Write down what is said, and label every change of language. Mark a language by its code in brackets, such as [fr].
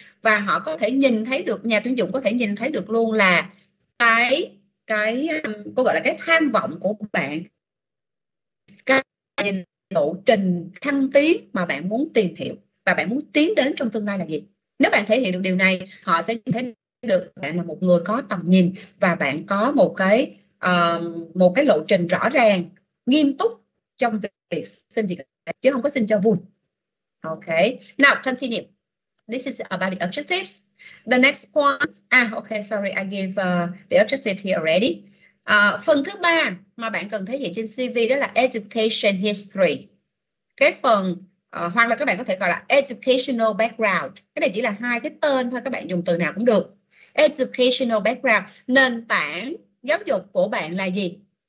[vi] Và họ có thể nhìn thấy được, nhà tuyển dụng có thể nhìn thấy được luôn là cái cô gọi là cái tham vọng của bạn, cái lộ trình thăng tiến mà bạn muốn tìm hiểu và bạn muốn tiến đến trong tương lai là gì? Nếu bạn thể hiện được điều này, họ sẽ thấy được bạn là một người có tầm nhìn và bạn có một cái lộ trình rõ ràng, nghiêm túc trong việc xin việc, chứ không có xin cho vui. [en] Ok, now continue. This is about the objectives. The next point, I gave the objective here already. [vi] Phần thứ ba mà bạn cần thể hiện trên CV đó là education history. Cái phần... hoặc là các bạn có thể gọi là educational background. Cái này chỉ là hai cái tên thôi, các bạn dùng từ nào cũng được. Educational background, nền tảng giáo dục của bạn là gì?